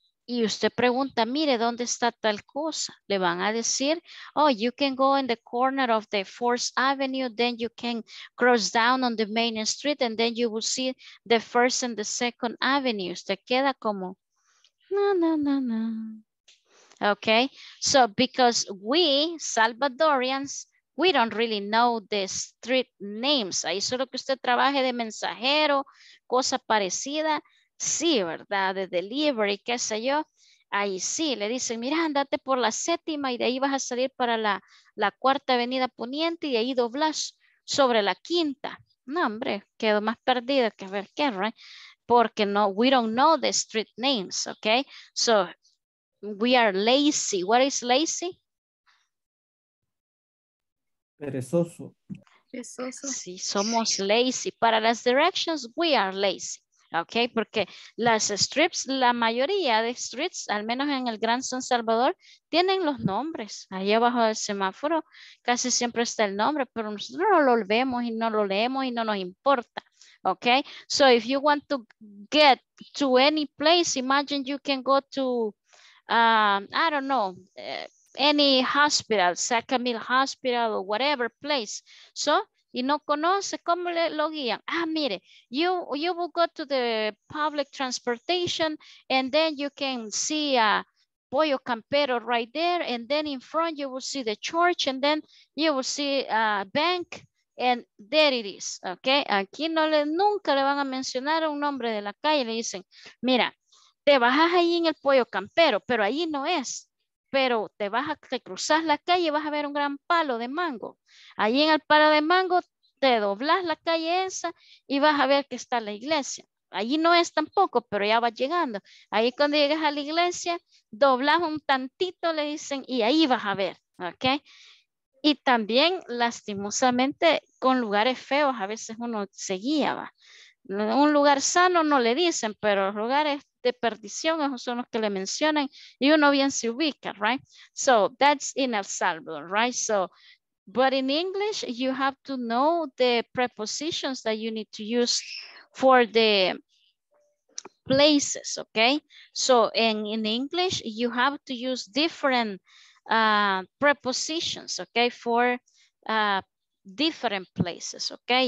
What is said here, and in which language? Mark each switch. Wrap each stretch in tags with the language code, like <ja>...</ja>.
<es>Y usted pregunta, mire, ¿dónde está tal cosa?</es> <en>Le van a decir, oh, you can go in the corner of the 4th Avenue, then you can cross down on the main street, and then you will see the 1st and the 2nd Avenue.</en> <es>Usted queda como, no, no, no, no.</es> <en>Okay, so because we, Salvadorians, we don't really know the street names.</en> <es>Ahí solo que usted trabaje de mensajero, cosa parecida. Sí, ¿verdad? De delivery, qué sé yo. Ahí sí, le dicen, mira, andate por la 7ª y de ahí vas a salir para la 4ª Avenida Poniente y de ahí doblas sobre la 5ª. No, hombre, quedo más perdido que ver qué, ¿verdad?</es> <en>Porque no, we don't know the street names, ¿ok? So, we are lazy. What is lazy?</en> <es>Perezoso. Perezoso. Sí, somos lazy. Para las directions, we are lazy. Ok, porque las strips, la mayoría de streets, al menos en el Gran San Salvador, tienen los nombres. Ahí abajo del semáforo casi siempre está el nombre, pero nosotros no lo vemos y no lo leemos y no nos importa.</es> <en>Ok, so if you want to get to any place, imagine you can go to, I don't know, any hospital, Sacramento Hospital or whatever place.</en> <es>So, y no conoce, ¿cómo le lo guían?</es> <en>Ah, mire, you will go to the public transportation and then you can see a Pollo Campero right there and then in front you will see the church and then you will see a bank and there it is, ¿ok?</en> <es>Aquí no le, nunca le van a mencionar un nombre de la calle, le dicen, mira, te bajas ahí en el Pollo Campero, pero ahí no es. Pero te vas a te cruzas la calle y vas a ver un gran palo de mango. Allí en el palo de mango te doblas la calle esa y vas a ver que está la iglesia. Allí no es tampoco, pero ya vas llegando. Ahí cuando llegas a la iglesia, doblas un tantito, le dicen, y ahí vas a ver, ¿ok? Y también, lastimosamente, con lugares feos a veces uno se guía, va. Un lugar sano no le dicen, pero lugares de perdición son los que le mencionan y uno bien se ubica, right?</es> <en>So that's in El Salvador, right? So, but in English, you have to know the prepositions that you need to use for the places, okay? So in English, you have to use different prepositions, okay, for different places, okay?</en>